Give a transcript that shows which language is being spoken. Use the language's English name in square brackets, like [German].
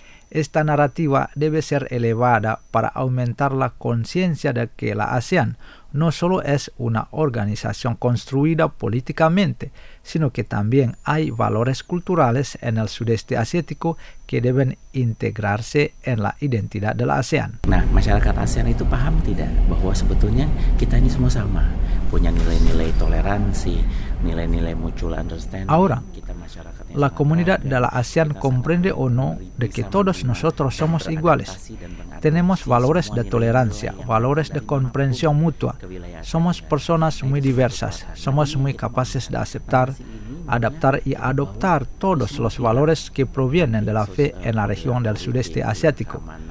[Spanish] esta narrativa debe ser elevada para aumentar la conciencia de que la ASEAN no solo es una organización construida políticamente, sino que también hay valores culturales en el sudeste asiático que deben integrarse en la identidad de la ASEAN. [Indonesian] Nah, masyarakat ASEAN itu paham tidak bahwa sebetulnya kita ini semua sama, punya nilai-nilai toleransi, nilai-nilai [English] mutual understanding. [Spanish] Ahora, la comunidad de la ASEAN comprende o no de que todos nosotros somos iguales. Tenemos valores de tolerancia, valores de comprensión mutua. Somos personas muy diversas, somos muy capaces de aceptar, adaptar y adoptar todos los valores que provienen de la fe en la región del sudeste asiático.